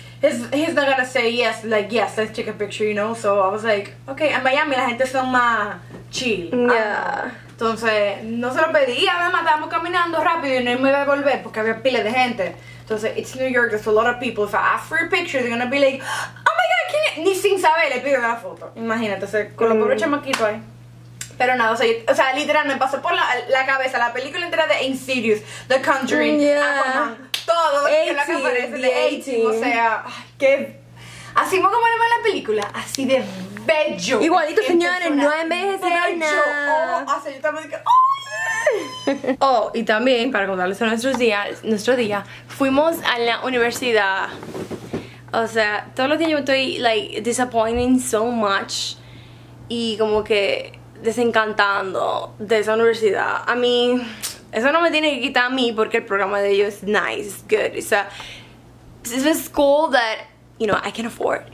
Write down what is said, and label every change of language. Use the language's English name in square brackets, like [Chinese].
[English] he's not gonna say yes, like, yes, let's take a picture, you know? So I was like, okay, [Spanish] en Miami la gente son más chill. [English] Yeah. [Spanish] Entonces, no se lo pedí, además estábamos caminando rápido y no me iba a volver porque había pila de gente. [English] Entonces, it's New York, there's a lot of people. If I ask for a picture, they're gonna be like, oh my God, [Spanish] ¿quién es? Ni sin saber, le pido la foto. Imagínate, entonces, con los pobres chamaquitos ahí. Pero nada, o sea, literal, me pasó por la cabeza la película entera de Insidious, The Conjuring, [English] yeah. [Spanish] Aquaman, todo. 18. O sea, qué. Así fue como era la película, así de bello. Igualito, señores, no envejece bello. Nada. Oh, o sea, yo también dije, [English] oh, yeah. [Spanish] Oh, y también, para contarles a nuestro día, fuimos a la universidad. O sea, todos los días yo estoy, [English] like, disappointing so much. [Spanish] Y como que desencantando de esa universidad. A mí, eso no me tiene que quitar a mí porque el programa de ellos es nice, es good. O sea, [English] this is a school that, you know, I can afford.